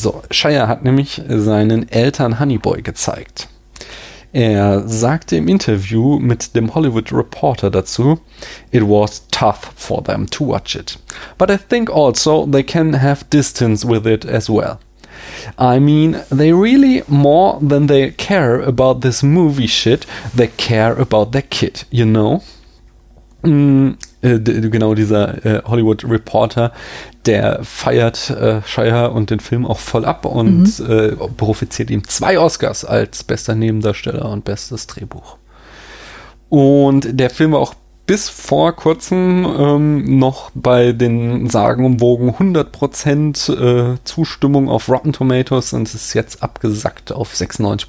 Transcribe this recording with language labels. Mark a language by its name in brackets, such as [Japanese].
[German] Shia hat nämlich seinen Eltern Honey Boy gezeigt. Er sagte im Interview mit dem Hollywood Reporter dazu, [English] "It was tough for them to watch it. But I think also they can have distance with it as well. I mean, they really, more than they care about this movie shit, they care about their kid, you know?" [German] Genau, dieser Hollywood Reporter, der feiert Shia und den Film auch voll ab und profitiert ihm 2 Oscars als bester Nebendarsteller und bestes Drehbuch. Und der Film war auch bis vor kurzem noch bei den sagenumwogen 100% Zustimmung auf Rotten Tomatoes und ist jetzt abgesackt auf 96%.